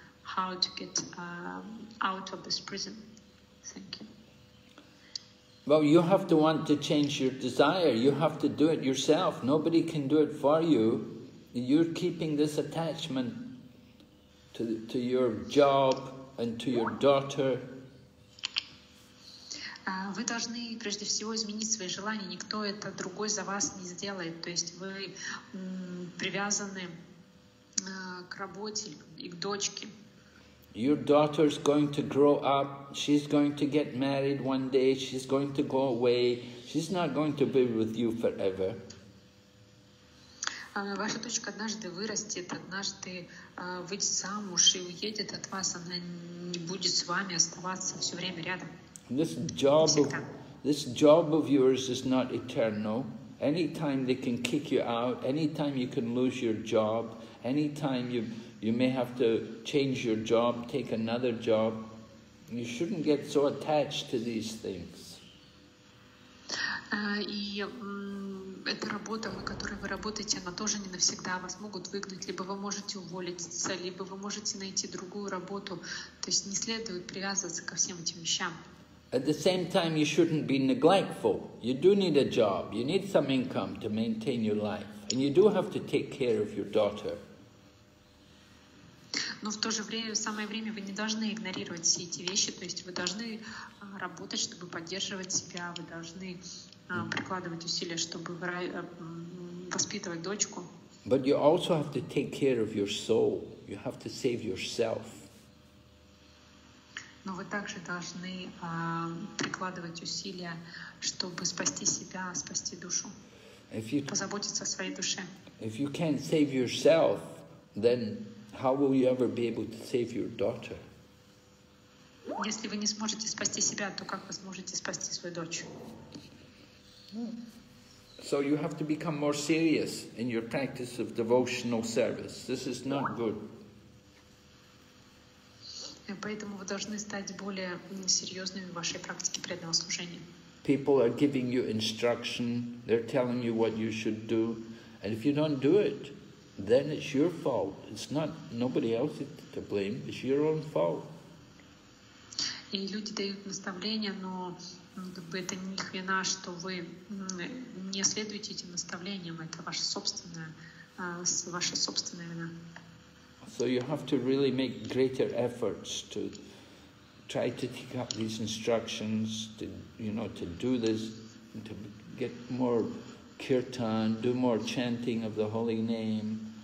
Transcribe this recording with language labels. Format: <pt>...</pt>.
<en>How to get out of this prison? Thank you. Well, you have to want to change your desire. You have to do it yourself. Nobody can do it for you. You're keeping this attachment to your job and to your daughter.</en> <ru>Вы должны прежде всего изменить свои желания. Никто это другой за вас не сделает. То есть вы привязаны к работе и к дочке.</ru> <en>Your daughter's going to grow up, she's going to get married one day, she's going to go away, she's not going to be with you forever.</en> <ru>Ваша дочка однажды вырастет, однажды выйдет замуж и уедет от вас, она не будет с вами оставаться все время рядом.</ru> <en>This job of yours is not eternal. Anytime they can kick you out, anytime you can lose your job, anytime you may have to change your job, take another job. You shouldn't get so attached to these things.</en> <ru>Эта работа, на которой вы работаете, она тоже не навсегда. Вас могут выгнать, либо вы можете уволиться, либо вы можете найти другую работу. То есть не следует привязываться ко всем этим вещам.</ru> <en>At the same time, you shouldn't be neglectful. You do need a job. You need some income to maintain your life. And you do have to take care of your daughter.</en> <ru>Но в то же время, в самое время, вы не должны игнорировать все эти вещи, то есть вы должны работать, чтобы поддерживать себя, вы должны прикладывать усилия, чтобы воспитывать дочку.</ru> <en>But you also have to take care of your soul. You have to save yourself.</en> <ru>Но вы также должны прикладывать усилия, чтобы спасти себя, спасти душу, позаботиться о своей душе.</ru> <en>If you can't save yourself, then how will you ever be able to save your daughter?</en> <ru>Если вы не сможете спасти себя, то как вы сможете спасти свою дочь?</ru> <en>So you have to become more serious in your practice of devotional service. This is not good.</en> <ru>Поэтому вы должны стать более серьезными в вашей практике преданного служения.</ru> <en>People are giving you instruction. They're telling you what you should do, and if you don't do it, then it's your fault. It's not nobody else to blame. It's your own fault.</en> <ru>И люди дают наставления, но это не их вина, что вы не следуете этим наставлениям. Это ваша собственная вина.</ru> <en>So you have to really make greater efforts to try to take up these instructions, to to do this, to get more kirtan, do more chanting of the holy name.</en>